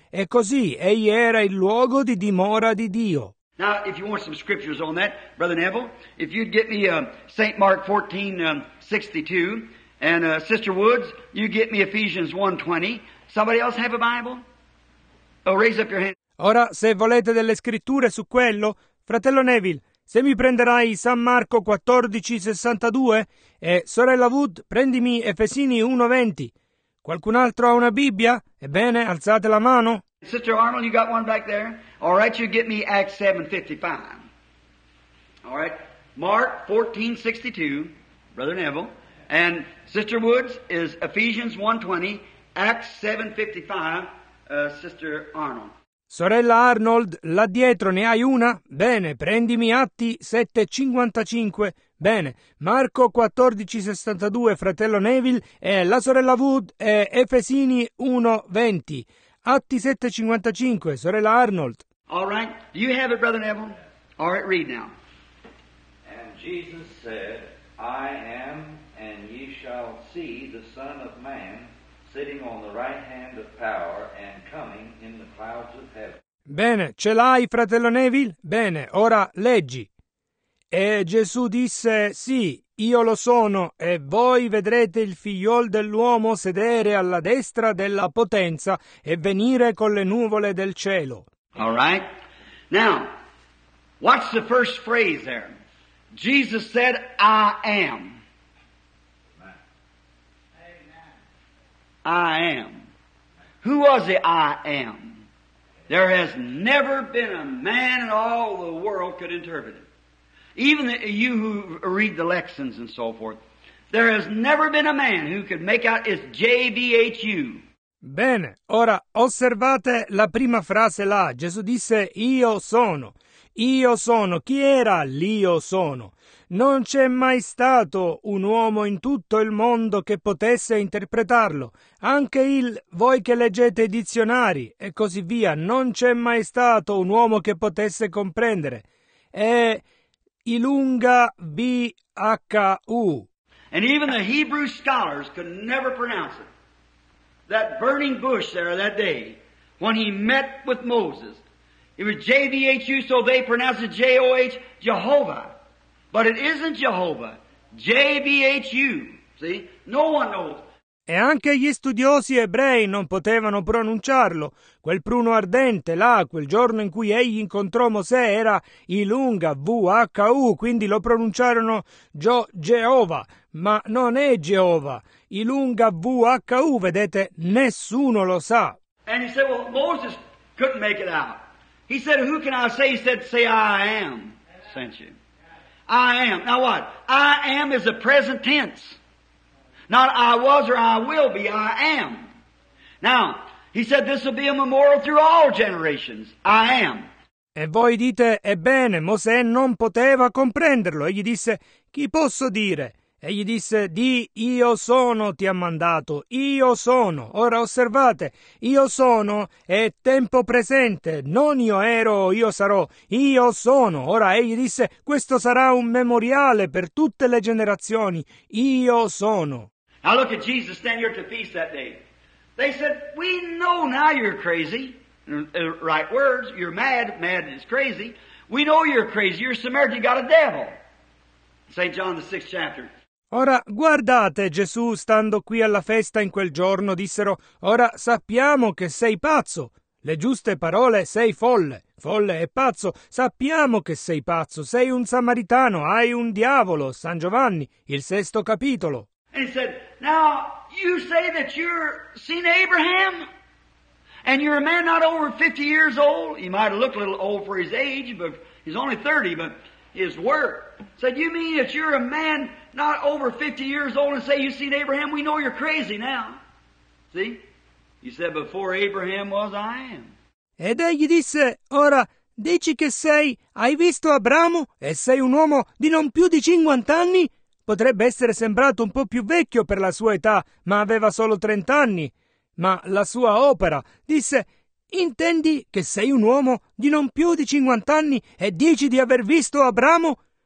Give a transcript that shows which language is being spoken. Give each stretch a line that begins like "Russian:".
Italian: E così, egli era il luogo di dimora di Dio.
English: Now, if you want some scriptures on that, Brother Neville, if you'd get me St. Mark 14:62, and Sister Woods, you get me Ephesians 1:20. Somebody else have a Bible? Oh, raise up your hand.
Italian: Ora, se volete delle scritture su quello, fratello Neville, se mi prenderai San Marco 14:62 e sorella Wood, prendimi Efesini 1:20. Qualcun altro ha una Bibbia? Ebbene, alzate la mano.
English: Sister Arnold, you got one back there? All right, you get me Acts 7:55. All right, Mark 14:62, Brother Neville, and Sister Woods is Ephesians 1:20, Acts 7:55, Sister Arnold.
Italian: Sorella Arnold, là dietro ne hai una? Bene, prendimi Atti 7:55. Bene, Marco 14:62, fratello Neville, e la sorella Wood è Efesini 1:20. Atti 7:55, sorella Arnold.
English: All right, do you have it, brother Neville? All right, read now. And Jesus said, I am, and ye shall see the Son of Man sitting on the right hand of power and coming in the clouds of heaven.
Italian: Bene, ce l'hai, fratello Neville? Bene, ora leggi. E Gesù disse, sì, io lo sono, e voi vedrete il figliol dell'uomo sedere alla destra della potenza e venire con le nuvole del cielo.
English: All right. Now, what's the first phrase there? Jesus said, I am. I am. Who was the I am? There has never been a man in all the world could interpret it. Even you who read the lexicons and so forth, there has never been a man who could make out it's J-V-H-U.
Italian: Bene, ora osservate la prima frase là. Gesù disse, io sono. Io sono. Chi era l'io sono? Non c'è mai stato un uomo in tutto il mondo che potesse interpretarlo. Anche il voi che leggete i dizionari e così via, non c'è mai stato un uomo che potesse comprendere. È Ilunga B-H-U.
English: And even the Hebrew scholars could never pronounce it. That burning bush there that day, when he met with Moses, it was J-V-H-U, so they pronounced it J-O-H, Jehovah. But it isn't Jehovah, J-V-H-U, see? No one knows.
Italian: E anche gli studiosi ebrei non potevano pronunciarlo. Quel pruno ardente là, quel giorno in cui egli incontrò Mosè, era Ilunga, V-H-U, quindi lo pronunciarono Jehovah, ma non è Jehovah. Ilunga V-H-U, vedete, nessuno lo sa.
English: And he said, well, Moses couldn't make it out. He said, who can I say? He said, say, I am sent you. I am. Now what? I am is a present tense. Not I was or I will be, I am. Now, he said, this will be a memorial through all generations. I am.
Italian: E voi dite, ebbene, Mosè non poteva comprenderlo. Egli disse, chi posso dire? E gli disse, di io sono ti ha mandato, io sono. Ora osservate, io sono è tempo presente, non io ero o io sarò, io sono. Ora egli disse, questo sarà un memoriale per tutte le generazioni, io sono.
English: Now look at Jesus standing here at the feast that day. They said, we know now you're crazy. Right words, you're mad, mad is crazy. We know you're crazy, you're Samaritan, you got a devil. St. John the 6th chapter.
Italian: Ora, guardate, Gesù, stando qui alla festa in quel giorno, dissero, ora sappiamo che sei pazzo. Le giuste parole, sei folle. Folle e pazzo. Sappiamo che sei pazzo. Sei un samaritano. Hai un diavolo. San Giovanni, il 6° capitolo.
English: And he said, now, you say that you're seen Abraham? And you're a man not over 50 years old? He might look a little old for his age, but he's only 30, but his work. Said, you mean that you're a man not over 50 years old and say you've seen Abraham? We know you're crazy now. See? He said, before Abraham was, I am.
Italian: Ed egli disse, ora, dici che sei, hai visto Abramo e sei un uomo di non più di 50 anni? Potrebbe essere sembrato un po' più vecchio per la sua età, ma aveva solo 30 anni. Ma la sua opera, disse, intendi che sei un uomo di non più di 50 anni e dici di aver visto Abramo?